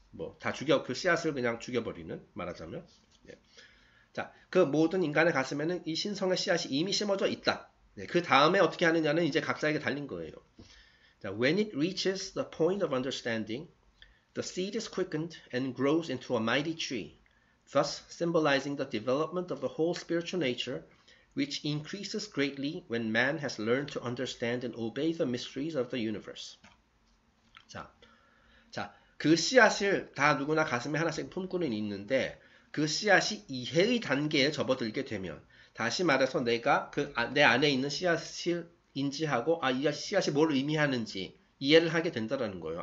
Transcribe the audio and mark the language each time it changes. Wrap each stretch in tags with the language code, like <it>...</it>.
<ko>뭐, 다 죽여, 그 씨앗을 그냥 죽여버리는, 말하자면. 예. 자, 그 모든 인간의 가슴에는 이 신성의 씨앗이 이미 심어져 있다. 예. 그 다음에 어떻게 하느냐는 이제 각자에게 달린 거예요.</ko> <en>자, When it reaches the point of understanding, The seed is quickened and grows into a mighty tree, thus symbolizing the development of the whole spiritual nature, which increases greatly when man has learned to understand and obey the mysteries of the universe.</en> <ko>자, 그 씨앗을 다 누구나 가슴에 하나씩 품고는 있는데, 그 씨앗이 이해의 단계에 접어들게 되면, 다시 말해서 내가 내 안에 있는 씨앗을 인지하고, 아, 이 씨앗이 뭘 의미하는지, 이해를 하게 된다라는 거예요.</ko>